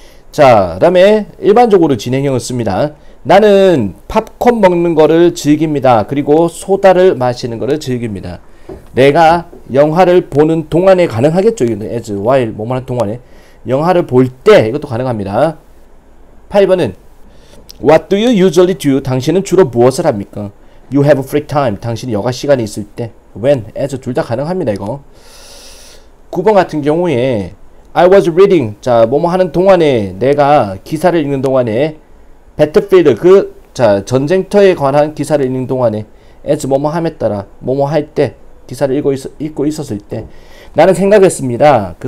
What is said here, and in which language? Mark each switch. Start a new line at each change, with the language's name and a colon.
Korean: 그다음에 일반적으로 진행형을 씁니다. 나는 팝콘 먹는 거를 즐깁니다. 그리고 소다를 마시는 거를 즐깁니다. 내가 영화를 보는 동안에 가능하겠죠. 이거는 as while 뭐뭐 하는 동안에 영화를 볼때 이것도 가능합니다.
English: 8번은 What do you usually do?
Korean: 당신은 주로 무엇을 합니까?
English: You have free time.
Korean: 당신이 여가 시간이 있을 때. When, as 둘다 가능합니다, 이거. 9번 같은 경우에
English: I was reading.
Korean: 뭐뭐 하는 동안에 내가 기사를 읽는 동안에 배틀필드 전쟁터에 관한 기사를 읽는 동안에 as 뭐뭐 함에 따라 뭐뭐 할때 기사를 읽고 있었을 때 나는 생각했습니다.